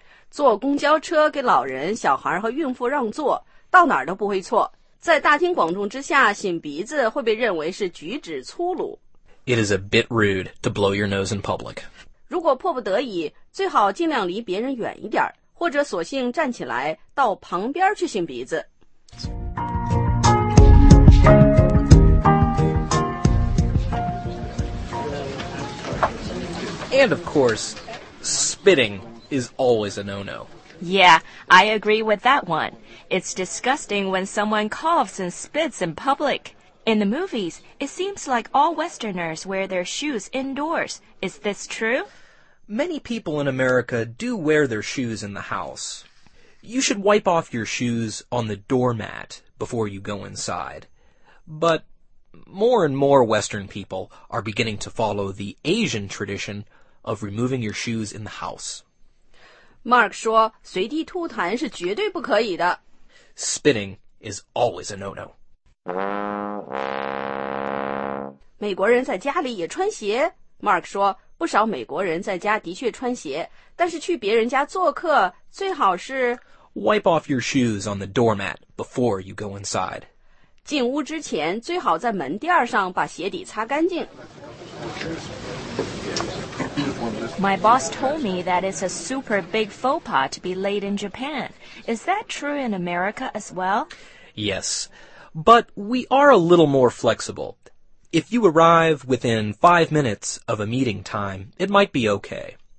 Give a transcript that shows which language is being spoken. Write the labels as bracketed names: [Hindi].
[Chinese] 坐公交车给老人、小孩和孕妇让座，到哪儿都不会错。在大庭广众之下擤鼻子会被认为是举止粗鲁。 [English] It is a bit rude to blow your nose in public. [Chinese] 如果迫不得已，最好尽量离别人远一点，或者索性站起来到旁边去擤鼻子。 [English] And of course, spitting is always a no-no. Yeah, I agree with that one. It's disgusting when someone coughs and spits in public. In the movies, it seems like all Westerners wear their shoes indoors. Is this true? Many people in America do wear their shoes in the house. You should wipe off your shoes on the doormat before you go inside. But more and more Western people are beginning to follow the Asian tradition of removing your shoes in the house. [Chinese] Mark 说随地吐痰是绝对不可以的。 [English] Spitting is always a no-no. [Chinese] 美国人在家里也穿鞋。 Mark 说不少美国人在家的确穿鞋，但是去别人家做客最好是 [English] Wipe off your shoes on the doormat before you go inside. [Chinese] 进屋之前最好在门垫上把鞋底擦干净。 [English] My boss told me that it's a super big faux pas to be late in Japan. Is that true in America as well? Yes, but we are a little more flexible. If you arrive within 5 minutes of a meeting time, it might be okay.